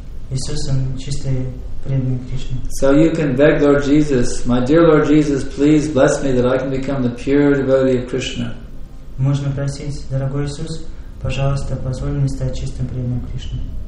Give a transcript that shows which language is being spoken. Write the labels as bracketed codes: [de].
[ru] Иисус он чистый преданный Кришне. [en] So you can beg Lord Jesus, my dear Lord Jesus, please bless me that I can become the pure devotee of Krishna. [ru] Можно просить, дорогой Иисус, пожалуйста, позволь мне стать чистым преданным Кришне.